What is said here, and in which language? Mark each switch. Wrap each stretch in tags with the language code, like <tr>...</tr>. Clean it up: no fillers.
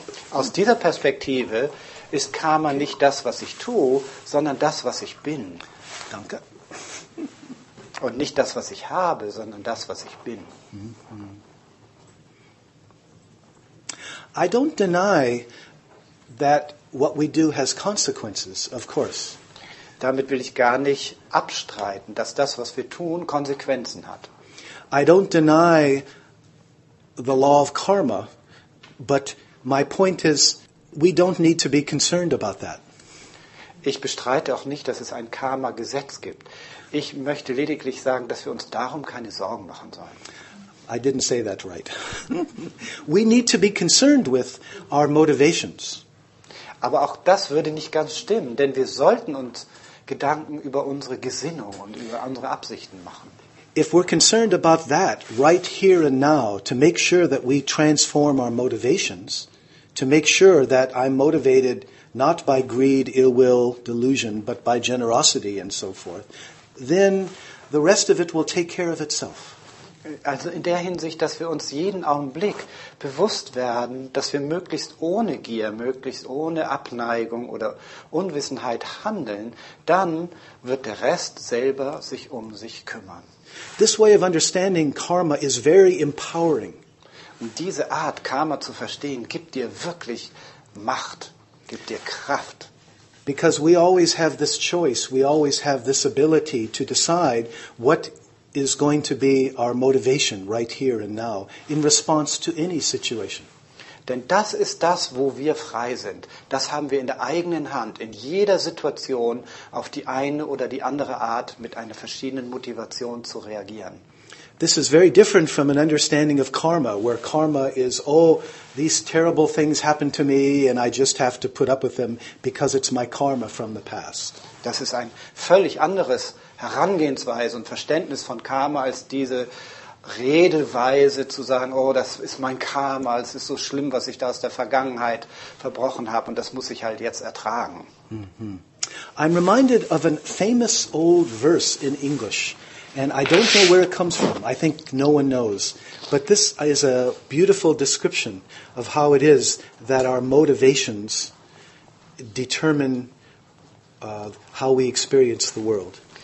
<de>Aus dieser Perspektive ist Karma nicht das, was ich tue, sondern das, was ich bin. Danke. Und nicht das, was ich habe, sondern das, was ich bin.</de> <en>I don't deny that what we do has consequences, of course.</en> <de>Damit will ich gar nicht abstreiten, dass das, was wir tun, Konsequenzen hat.</de> <en>I don't deny the law of karma, but my point is, we don't need to be concerned about that.</en> <de>Ich bestreite auch nicht, dass es ein Karma-Gesetz gibt. Ich möchte lediglich sagen, dass wir uns darum keine Sorgen machen sollen.</de> <en>I didn't say that right. We need to be concerned with our motivations.</en> <de>Aber auch das würde nicht ganz stimmen, denn wir sollten uns Gedanken über unsere Gesinnung und über unsere Absichten machen.</de> <en>If we're concerned about that right here and now, to make sure that we transform our motivations, to make sure that I'm motivated not by greed, ill will, delusion, but by generosity and so forth, then the rest of it will take care of itself.</en> <de>Also in der Hinsicht, dass wir uns jeden Augenblick bewusst werden, dass wir möglichst ohne Gier, möglichst ohne Abneigung oder Unwissenheit handeln, dann wird der Rest selber sich um sich kümmern.</de> <en>This way of understanding karma is very empowering.</en> <de>Und diese Art, Karma zu verstehen, gibt dir wirklich Macht, gibt dir Kraft.</de> <en>Because we always have this choice, we always have this ability to decide what is going to be our motivation right here and now in response to any situation.</en> <de>Denn das ist das, wo wir frei sind. Das haben wir in der eigenen Hand, in jeder Situation auf die eine oder die andere Art mit einer verschiedenen Motivation zu reagieren.</de> <en>This is very different from an understanding of karma, where karma is, oh, these terrible things happen to me and I just have to put up with them because it's my karma from the past.</en> <de>Das ist ein völlig anderes Herangehensweise und Verständnis von Karma als diese Redeweise zu sagen, oh, das ist mein Karma, es ist so schlimm, was ich da aus der Vergangenheit verbrochen habe und das muss ich halt jetzt ertragen. Mm-hmm.</de> <en>I'm reminded of a famous old verse in English. And I don't know where it comes from. I think no one knows. But this is a beautiful description of how it is that our motivations determine how we experience the world.</en>